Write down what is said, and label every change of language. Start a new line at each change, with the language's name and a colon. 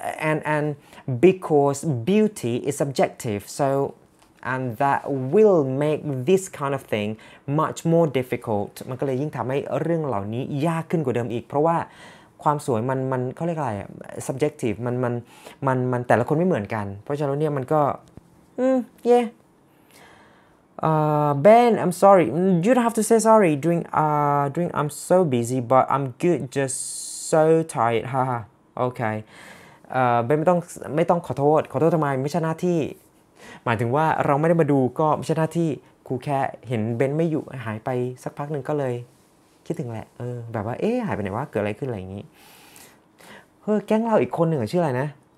English: And because beauty is subjective, so and that will make this kind of thing much more difficult.
Thai: มันก็เลยยิ่งทำให้เรื่องเหล่านี้ยากขึ้นกว่าเดิมอีกเพราะว่าความสวยมันเขาเรียกอะไร subjective มันแต่ละคนไม่เหมือนกันเพราะฉะนั้นเนี่ยมันก็
English: Ben, I'm sorry. You don't have to say sorry. During I'm so busy, but I'm good. Just so tired. Ha ha.
Thai: โอเคไม่ต้องขอโทษทำไมไม่ใช่หน้าที่หมายถึงว่าเราไม่ได้มาดูก็ไม่ใช่หน้าที่ครูแค่เห็นเบนไม่อยู่หายไปสักพักหนึ่งก็เลยคิดถึงแหละเออแบบว่าเอ๊หายไปไหนวะเกิดอะไรขึ้นอะไรอย่างนี้เฮ้ยแก๊งเราอีกคนหนึ่งชื่ออะไรนะ